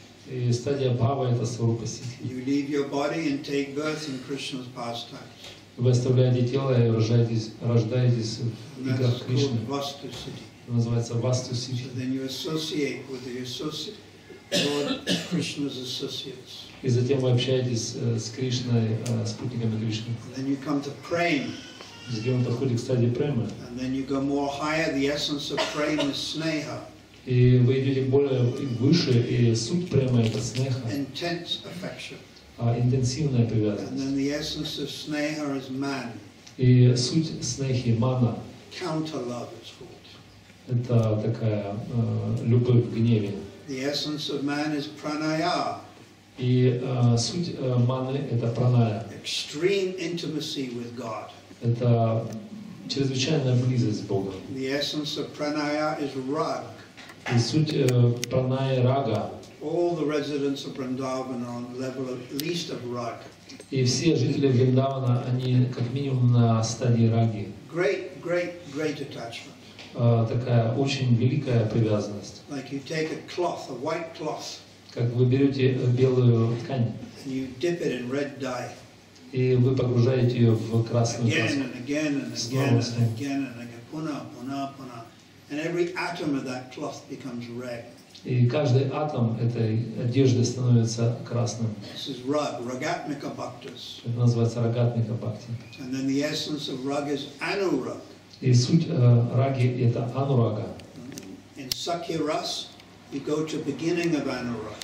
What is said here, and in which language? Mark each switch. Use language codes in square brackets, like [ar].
[ru] И стадия бхава это сварупа сиддхи. [en] You leave your body and take birth in Krishna's pastimes. [ru] Вы оставляете тело и рождаетесь в играх Кришны. [en] Vastu siddhi. [ru] Называется vastu siddhi. [en] So then you associate with the Lord Krishna's associates. [ru] И затем вы общаетесь с Кришной, спутниками Кришны. [en] Then you come to prem. [ru] Затем вы подходите к стадии премы. [en] And then you go more higher. The essence of prem is sneha. [ru] И вы идете более выше, и суть према – это снеха. [en] Intense affection. [ru] Интенсивная привязанность. [en] And then the essence of sneha is man. [ru] И суть снехи – мана. [en] Counter love is called. [ru] Это такая любовь в гневе. [en] The essence of man is pranayama. [ru] И суть маны – это праная. [en] Extreme intimacy with God. [ru] Это чрезвычайная близость с Богом. [en] The essence of pranayama is rag. [ru] И суть праная рага. [en] All the residents of Vrindavan are on level at least of rag. [ru] И все жители Вриндавана они как минимум на стадии раги. [en] Great, great, great attachment. [ru] Такая очень великая привязанность. [en] Like you take a cloth, a white cloth. [ru] Как вы берете белую ткань. [en] And you dip it in red dye. [ru] И вы погружаете ее в красную краску. [en] Again and again and again and again and again. Puna, puna, puna. And every atom of that cloth becomes red. [ru] И каждый атом этой одежды становится красным. [en] This is rag, ragatmika bhaktas. [ru] Это называется рагатмика бхакти. [en] And then the essence of rag is anurag. [ru] И суть раги это анурага. [en] In sakya ras, you go to beginning of anurag.